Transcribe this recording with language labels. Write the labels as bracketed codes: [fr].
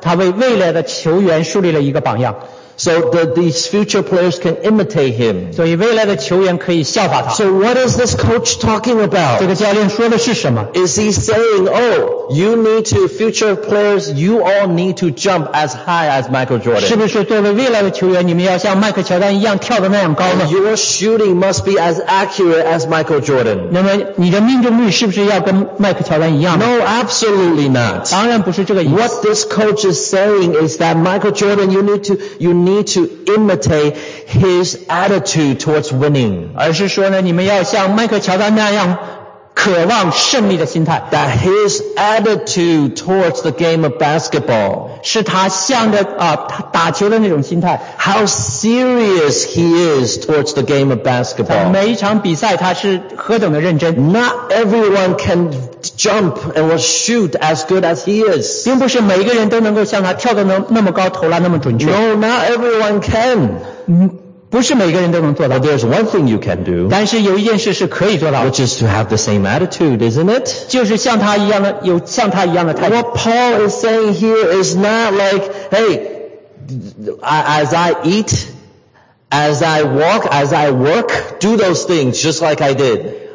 [zh] 那在那个纪录片当中有一个教练说，迈克乔丹他为未来的球员树立了一个榜样。 [en] So that these future players can imitate him. [zh] 所以未来的球员可以效法他。 [en] So what is this coach talking about? [zh] 这个教练说的是什么? [en] Is he saying, oh, you need to, future players, you all need to jump as high as Michael Jordan. [zh] 是不是作为未来的球员，你们要像迈克乔丹一样跳得那样高呢？ [en] Your shooting must be as accurate as Michael Jordan. [zh] 那么你的命中率是不是要跟迈克乔丹一样呢？ [en] No, absolutely not. [zh] 当然不是这个意思。 [en] What this coach is saying is that Michael Jordan, you need to imitate his attitude towards winning. [zh] 而是说呢，你们要像迈克乔丹那样。渴望胜利的心态, [en] that his attitude towards the game of basketball, [zh] 是他向着打球的那种心态, [en] how serious he is towards the game of basketball. [zh] 每一场比赛他是何等的认真, [en] not everyone can jump and will shoot as good as he is. [zh] 并不是每一个人都能够像他跳得那么高投篮那么准确。 [en] No, not everyone can. [zh] 不是每个人都能做到。 [en] But there's one thing you can do. [zh] 但是有一件事是可以做到。 [en] Which is to have the same attitude, isn't it? [zh] 就是像他一样的态度。 [en] What Paul is saying here is not like, hey, as I eat, as I walk, as I work, do those things just like I did.